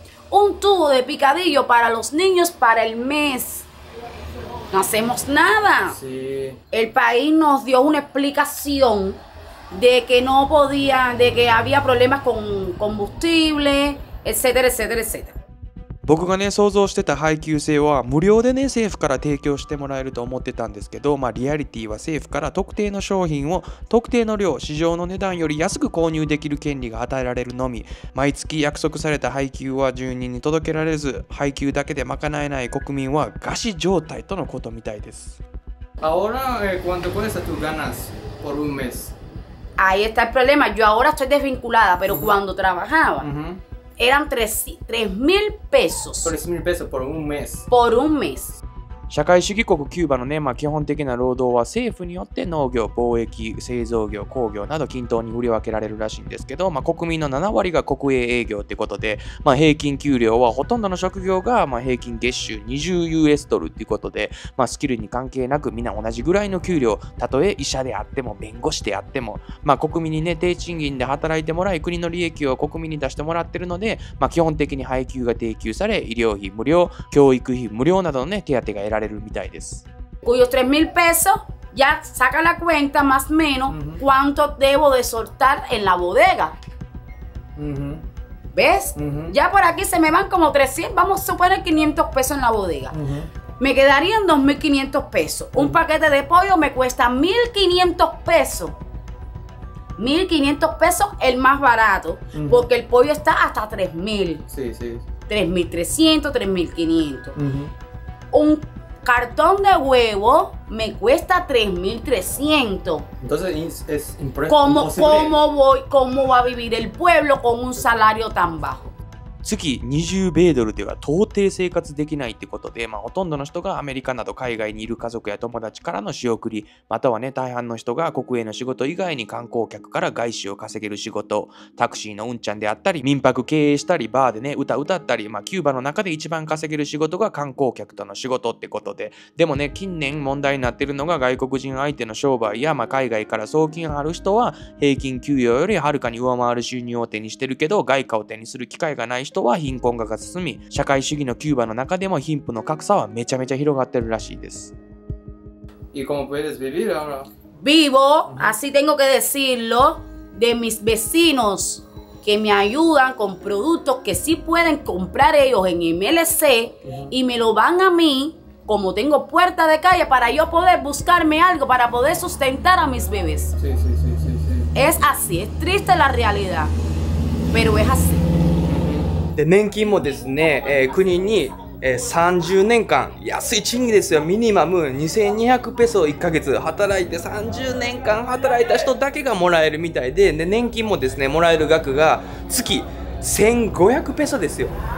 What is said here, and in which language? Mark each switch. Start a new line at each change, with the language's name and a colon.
Spanish: Un tubo de picadillo para los niños para el mes. No hacemos nada. Sí. El país nos dio una explicación de que no podía, de que había problemas con combustible, etcétera, etcétera, etcétera.
Japanese: 僕がね想像してた配給制は無料でね政府から提供してもらえると思ってたんですけど、まあリアリティは政府から特定の商品を特定の量、市場の値段より安く購入できる権利が与えられるのみ、毎月約束された配給は住人に届けられず、配給だけで賄えない国民は餓死状態とのことみたいです。
Spanish: Ahora, ¿cuánto cuesta tus ganas por un mes? Ahí está el problema. Yo ahora estoy desvinculada, pero cuando trabajaba, eran 3,000 pesos. 3,000 pesos por un mes. Por un mes.
Japanese: 社会主義国キューバのね、まあ基本的な労働は政府によって農業、貿易、製造業、工業など均等に振り分けられるらしいんですけど、まあ国民の7割が国営営業ってことで、まあ平均給料はほとんどの職業が、まあ平均月収 20US ドルっていうことで、まあスキルに関係なくみんな同じぐらいの給料、たとえ医者であっても弁護士であっても、まあ国民にね、低賃金で働いてもらい、国の利益を国民に出してもらってるので、まあ基本的に配給が提供され、医療費無料、教育費無料などのね、手当が得られみたいです。
Spanish: Cuyos 3,000 pesos ya saca la cuenta más o menos cuánto debo de soltar en la bodega. ¿Ves? Ya por aquí se me van como 300, vamos a suponer 500 pesos en la bodega. Me quedarían 2,500 pesos. Un paquete de pollo me cuesta 1,500 pesos. 1,500 pesos el más barato, porque el pollo está hasta 3,000. Sí, sí. 3,300, 3,500. Un cartón de huevo me cuesta 3,300. Entonces es impresionante. ¿Cómo va a vivir el pueblo con un salario tan bajo?
Japanese: 月20米ドルでは到底生活できないってことで、まあ、ほとんどの人がアメリカなど海外にいる家族や友達からの仕送り、またはね大半の人が国営の仕事以外に観光客から外資を稼げる仕事、タクシーのうんちゃんであったり民泊経営したりバーでね歌歌ったり、まあ、キューバの中で一番稼げる仕事が観光客との仕事ってことで、でもね近年問題になってるのが外国人相手の商売や、まあ、海外から送金ある人は平均給与よりはるかに上回る収入を手にしてるけど、外貨を手にする機会がない人は貧困が進み、社会主義のキューバの中でも貧富の格差はめちゃめちゃ広がってるらしいです。
Spanish: ¿Y cómo puedes vivir ahora? Vivo, así tengo que decirlo, de mis vecinos que me ayudan con productos que sí pueden comprar ellos en MLC y me lo van a mí como tengo puerta de calle para yo poder buscarme algo para poder sustentar a mis bebés. Sí, sí, sí, sí, sí. Es así, es triste la realidad, pero es así.
Japanese: で年金もですね、国に、30年間安い賃金ですよ、ミニマム2200ペソ1ヶ月働いて30年間働いた人だけがもらえるみたい で年金もですね、もらえる額が月1500ペソですよ。